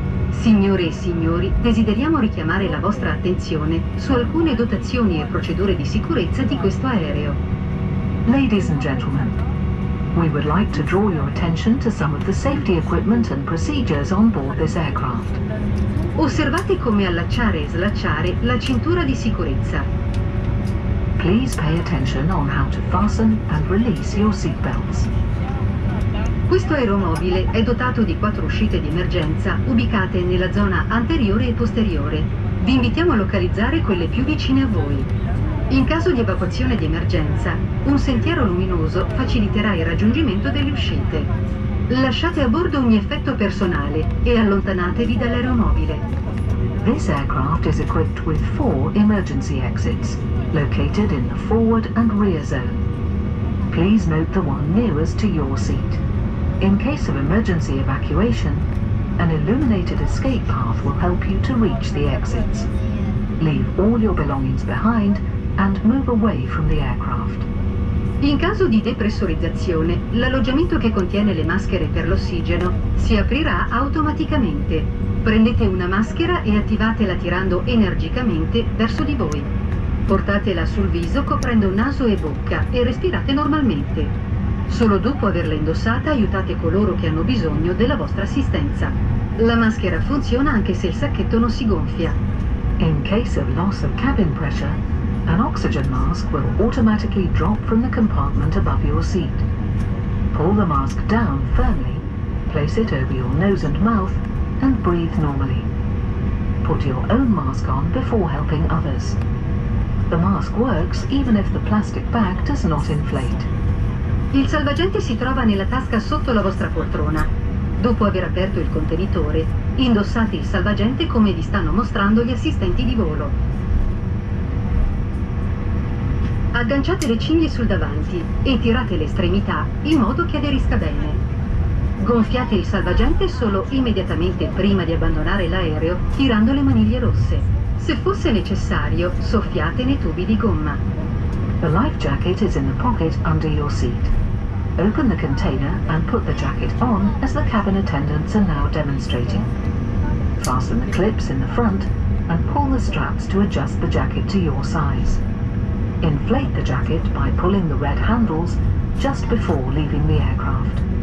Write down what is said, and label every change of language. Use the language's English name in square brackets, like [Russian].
[Italian] Signore e signori, desideriamo richiamare la vostra attenzione su alcune dotazioni e procedure di sicurezza di questo aereo. [English] Ladies and gentlemen, we would like to draw your attention to some of the safety equipment and procedures on board this aircraft. [Italian] Osservate come allacciare e slacciare la cintura di sicurezza. [English] Please pay attention on how to fasten and release your seatbelts. [Italian] Questo aeromobile è dotato di 4 uscite di emergenza ubicate nella zona anteriore e posteriore. Vi invitiamo a localizzare quelle più vicine a voi. In caso di evacuazione di emergenza, un sentiero luminoso faciliterà il raggiungimento delle uscite. Lasciate a bordo ogni effetto personale e allontanatevi dall'aeromobile. [English] This aircraft is equipped with 4 emergency exits, located in the forward and rear zone. Please note the one nearest to your seat. In case of emergency evacuation, an illuminated escape path will help you to reach the exits. Leave all your belongings behind and move away from the aircraft. [Italian] In caso di depressurizzazione, l'alloggiamento che contiene le maschere per l'ossigeno si aprirà automaticamente. Prendete una maschera e attivatela tirando energicamente verso di voi. Portatela sul viso coprendo naso e bocca e respirate normalmente. Solo dopo averla indossata aiutate coloro che hanno bisogno della vostra assistenza. La maschera funziona anche se il sacchetto non si gonfia. [English] In case of loss of cabin pressure, an oxygen mask will automatically drop from the compartment above your seat. Pull the mask down firmly, place it over your nose and mouth, and breathe normally. Put your own mask on before helping others. The mask works even if the plastic bag does not inflate. [Italian] Il salvagente si trova nella tasca sotto la vostra poltrona. Dopo aver aperto il contenitore, indossate il salvagente come vi stanno mostrando gli assistenti di volo. Agganciate le cinghie sul davanti e tirate le estremità in modo che aderisca bene. Gonfiate il salvagente solo immediatamente prima di abbandonare l'aereo tirando le maniglie rosse. Se fosse necessario, soffiate nei tubi di gomma. [English] The life jacket is in the pocket under your seat. Open the container and put the jacket on as the cabin attendants are now demonstrating. Fasten the clips in the front and pull the straps to adjust the jacket to your size. Inflate the jacket by pulling the red handles just before leaving the aircraft.